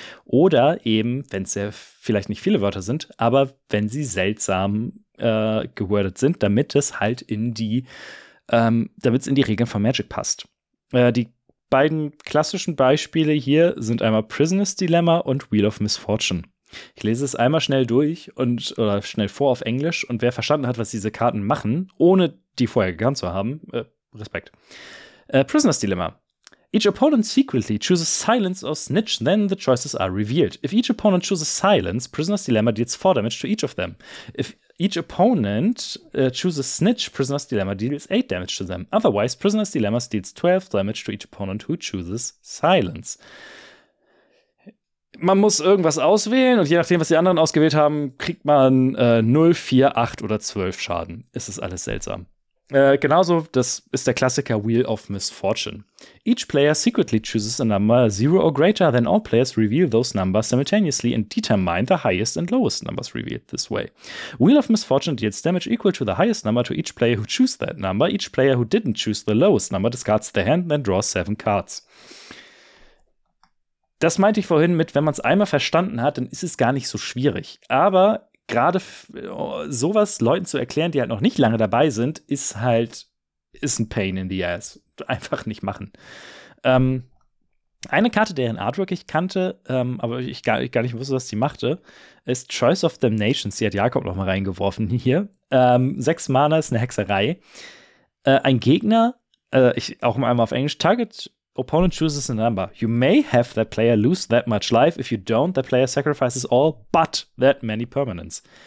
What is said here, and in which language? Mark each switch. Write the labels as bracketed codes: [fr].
[de] Oder eben, wenn es vielleicht nicht viele Wörter sind, aber wenn sie seltsam gewordet sind, damit es halt in die, damit es in die Regeln von Magic passt. Die beiden klassischen Beispiele hier sind einmal Prisoner's Dilemma und Wheel of Misfortune. Ich lese es einmal schnell durch und oder schnell vor auf Englisch und wer verstanden hat, was diese Karten machen, ohne die vorher gekannt zu haben, Respekt. Prisoner's Dilemma. [en] Each opponent secretly chooses silence or snitch, then the choices are revealed. If each opponent chooses silence, Prisoner's Dilemma deals 4 damage to each of them. If each opponent chooses snitch, Prisoner's Dilemma deals 8 damage to them. Otherwise, Prisoner's Dilemma deals 12 damage to each opponent who chooses silence. [de] Man muss irgendwas auswählen und je nachdem, was die anderen ausgewählt haben, kriegt man 0, 4, 8 oder 12 Schaden. Ist das alles seltsam. Genauso, das ist der Klassiker Wheel of Misfortune. [en] Each player secretly chooses a number 0 or greater, then all players reveal those numbers simultaneously and determine the highest and lowest numbers revealed this way. Wheel of Misfortune deals damage equal to the highest number to each player who chooses that number. Each player who didn't choose the lowest number discards their hand and then draws 7 cards. [de] Das meinte ich vorhin mit, wenn man es einmal verstanden hat, dann ist es gar nicht so schwierig. Aber gerade sowas Leuten zu erklären, die halt noch nicht lange dabei sind, ist ein [en] Pain in the ass. [de] Einfach nicht machen. Eine Karte, deren Artwork ich kannte, aber ich gar nicht wusste, was die machte, ist Choice of Damnations. Die hat Jakob noch mal reingeworfen hier. 6 Mana ist eine Hexerei. Ein Gegner, ich auch einmal auf Englisch, [en] Target Opponent chooses a number. You may have that player lose that much life. If you don't, that player sacrifices all but that many permanents.